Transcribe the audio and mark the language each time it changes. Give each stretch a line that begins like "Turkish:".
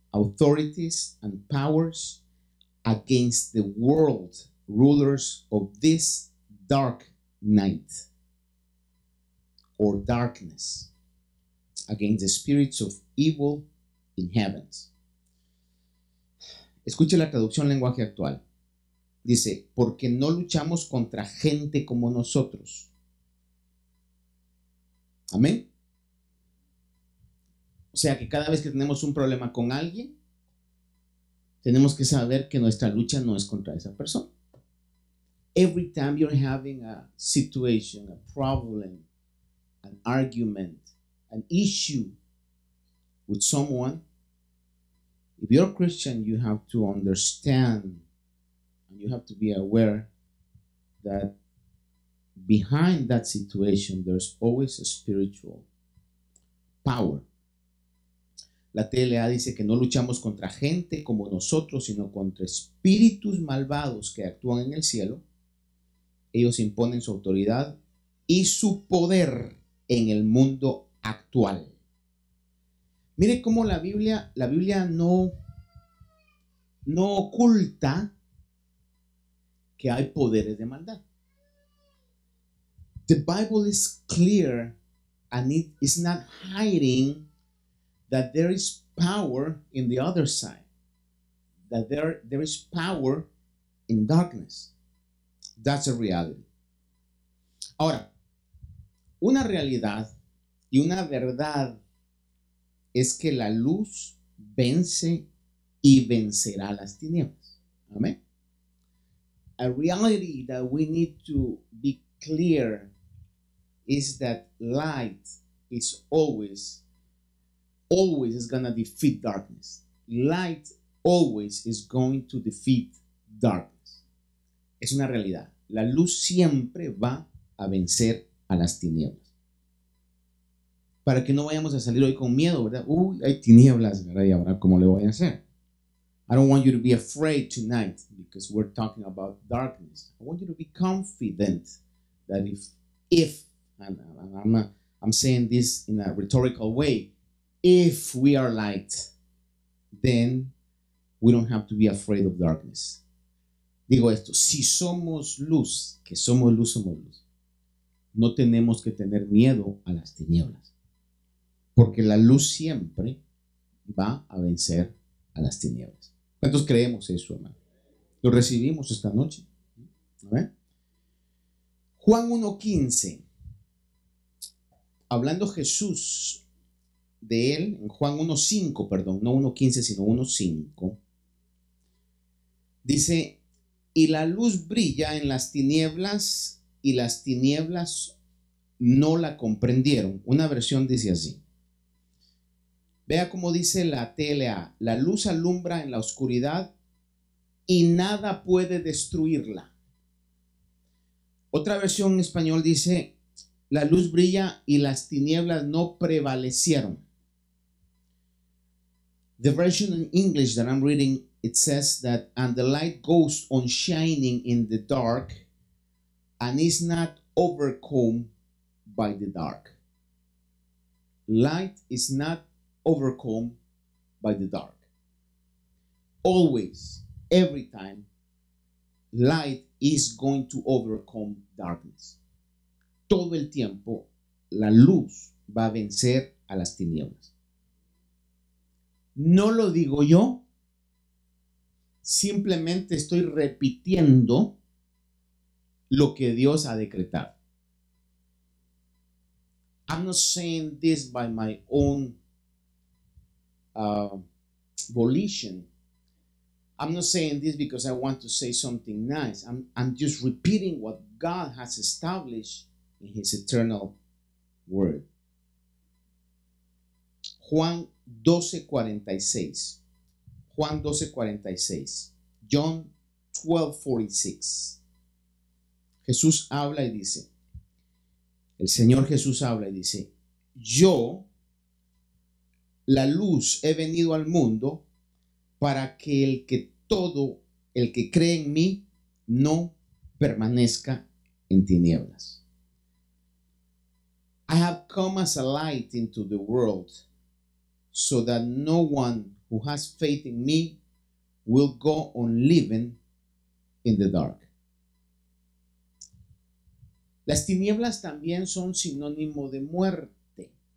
English: authorities and powers, against the world rulers of this dark night or darkness, against the spirits of evil in heavens.
Spanish: Escuche la traducción lenguaje actual. Dice, porque no luchamos contra gente como nosotros. Amén. O sea que cada vez que tenemos un problema con alguien, tenemos que saber que nuestra lucha no es contra esa persona.
English: Every time you're having a situation, a problem, an argument, an issue with someone, if you're a Christian, you have to understand and you have to be aware that behind that situation, there's always a spiritual power.
Spanish: La TLA dice que no luchamos contra gente como nosotros, sino contra espíritus malvados que actúan en el cielo. Ellos imponen su autoridad y su poder en el mundo actual. Mire cómo la Biblia no oculta que hay poderes de maldad.
English: The Bible is clear and it is not hiding that there is power in the other side. That there is power in darkness. That's a reality.
Spanish: Ahora, una realidad y una verdad es que la luz vence y vencerá las tinieblas. Amén.
English: A reality that we need to be clear is that light is always is going to defeat darkness. Light always is going to defeat darkness.
Spanish: Es una realidad. La luz siempre va a vencer a las tinieblas. Para que no vayamos a salir hoy con miedo, ¿verdad? Uy, hay tinieblas, ¿verdad? Y ahora, ¿cómo le voy a hacer?
English: I don't want you to be afraid tonight because we're talking about darkness. I want you to be confident that if I'm saying this in a rhetorical way, if we are light, then we don't have to be afraid of darkness.
Spanish: Digo esto, si somos luz, que somos luz, no tenemos que tener miedo a las tinieblas, porque la luz siempre va a vencer a las tinieblas. ¿Cuántos creemos eso, hermano? Lo recibimos esta noche. ¿A ver? Juan 1:15, hablando Jesús de él, en Juan 1:5, perdón, no 1:15, sino 1:5, dice, y la luz brilla en las tinieblas, y las tinieblas no la comprendieron. Una versión dice así. Vea cómo dice la TLA, la luz alumbra en la oscuridad y nada puede destruirla. Otra versión en español dice, la luz brilla y las tinieblas no prevalecieron.
English: The version in English that I'm reading, it says that, and the light goes on shining in the dark and is not overcome by the dark. Light is not overcome by the dark. Always, every time, light is going to overcome darkness.
Spanish: Todo el tiempo, la luz va a vencer a las tinieblas. No lo digo yo, simplemente estoy repitiendo lo que Dios ha decretado.
English: I'm not saying this by my own volition. I'm not saying this because I want to say something nice. I'm just repeating what God has established in his eternal word. John 12:46.
Spanish: Jesús habla y dice, el Señor Jesús habla y dice, yo, la luz, he venido al mundo para que todo el que cree en mí no permanezca en tinieblas.
English: I have come as a light into the world so that no one who who has faith in me will go on living in the dark.
Spanish: Las tinieblas también son sinónimo de muerte.